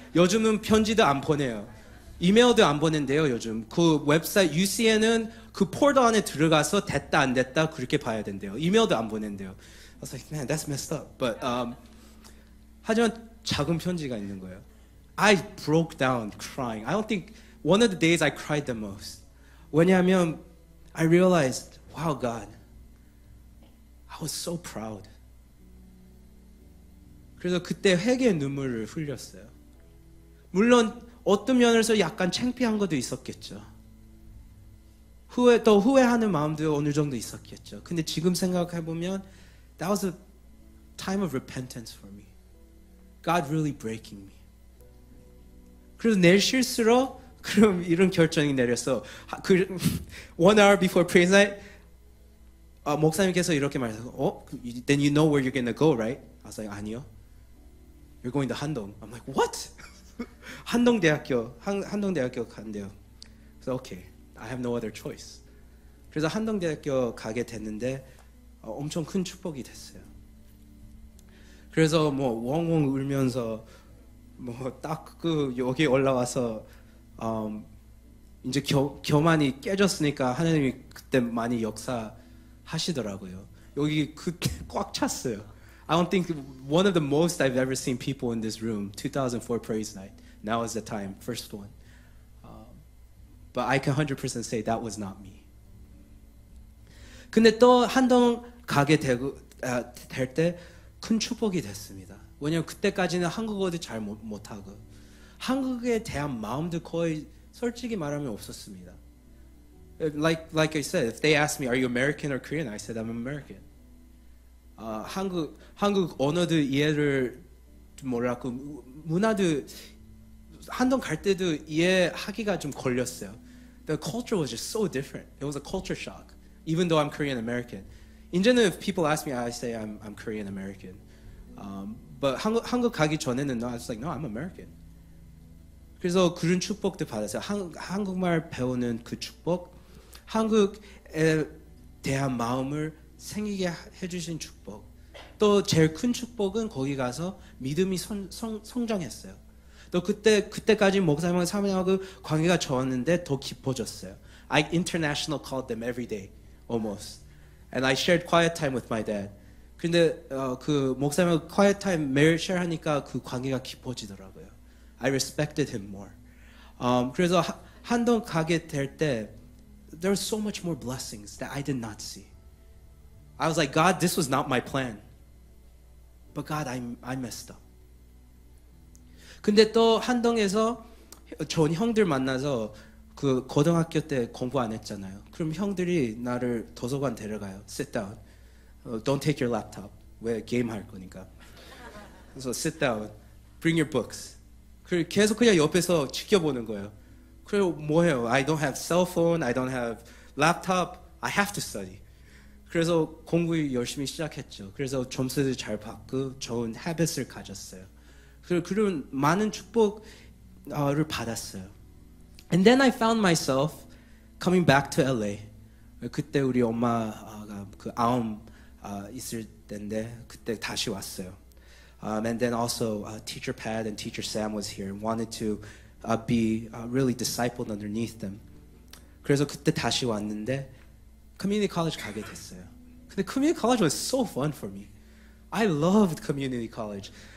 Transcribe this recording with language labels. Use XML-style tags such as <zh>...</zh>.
<ko>요즘은 편지도 안 보내요. 이메일도 안 보낸대요 요즘. 그 웹사이트 UCN은 그 포털 안에 들어가서 됐다 안 됐다 그렇게 봐야 된대요. 이메일도 안 보낸대요.</ko> <en>I was like, man, that's messed up.</en> <ko>But 하지만 작은 편지가 있는 거예요.</ko> <en>I broke down crying. I don't think one of the days I cried the most. 왜냐하면 I realized, wow, God, I was so proud.</en> <ko>그래서 그때 회개의 눈물을 흘렸어요. 물론 어떤 면에서 약간 창피한 것도 있었겠죠. 후회, 또 후회하는 마음도 어느 정도 있었겠죠. 근데 지금 생각해보면</ko> <en>that was a time of repentance for me. God really breaking me.</en> <ko>그래서 내실수록 그럼 이런 결정이 내렸어.</ko> <en>그, one hour before praise night,</en> <ko>목사님께서 이렇게 말해서</ko> <en>then you know where you're gonna go, right? I was like, 아니요. You're going to 한동. I'm like, what?</en> <ko>한동대학교, 한동대학교 간대요.</ko> <en>그래서 okay, I have no other choice.</en> <ko>그래서 한동대학교 가게 됐는데 엄청 큰 축복이 됐어요. 그래서 뭐 웅웅 울면서 뭐 딱 그 여기 올라와서 이제 교만이 깨졌으니까 하나님이 그때 많이 역사하시더라고요. 여기 그때 꽉 찼어요.</ko> <en>I don't think one of the most I've ever seen people in this room, 2004 Praise Night. Now is the time, first one. But I can 100% say that was not me.</en> <ko>근데 또 한동 가게 되고 될 때 큰 축복이 됐습니다. 왜냐면 그때까지는 한국어도 잘 못하고 한국에 대한 마음도 거의 솔직히 말하면 없었습니다. Like I said, if they asked me, are you American or Korean? I said, I'm American. 한국 언어도 이해를 몰랐고 문화도 한동 갈 때도 이해하기가 좀 걸렸어요.</ko> <en>The culture was just so different. It was a culture shock. Even though I'm Korean American, 이제는 if people ask me, I say I'm Korean American. But</en> <ko>한국 가기 전에는</ko> <en>I was like, no, I'm American.</en> <ko>그래서 그런 축복도 받았어요. 한국말 배우는 그 축복, 한국에 대한 마음을 생기게 해주신 축복. 또 제일 큰 축복은 거기 가서 믿음이 성장했어요. 또 그때까지 목사님하고 사모님하고 관계가 좋았는데 더 깊어졌어요.</ko> <en>I international called them every day, almost. And I shared quiet time with my dad.</en> <ko>근데 그 목사님하고 quiet time 매일 share 하니까 그 관계가 깊어지더라고요.</ko> <en>I respected him more.</en> <ko>그래서 한동 가게 될 때</ko> <en>there were so much more blessings that I did not see. I was like, God, this was not my plan. But God, I messed up.</en> <ko>근데 또 한동에서 전 형들 만나서 그 고등학교 때 공부 안 했잖아요. 그럼 형들이 나를 도서관 데려가요.</ko> <en>Sit down. Don't take your laptop.</en> <ko>왜 게임 할 거니까.</ko> <en>그래서 sit down. Bring your books.</en> <ko>그리고 계속 그냥 옆에서 지켜보는 거예요. 그리고 뭐 해요?</ko> <en>I don't have cell phone. I don't have laptop. I have to study.</en> <ko>그래서 공부 열심히 시작했죠. 그래서 점수도 잘 받고 좋은 habits을 가졌어요. 그런 많은 축복을 받았어요.</ko> <en>And then I found myself coming back to LA.</en> <ko>그때 우리 엄마가 그 아움 있을 때인데 그때 다시 왔어요.</ko> <en>And then also Teacher Pat and Teacher Sam was here and wanted to be really discipled underneath them.</en> <ko>그래서 그때 다시 왔는데 Community College 가게 됐어요.</ko> <en>근데 Community College was so fun for me. I loved Community College.</en>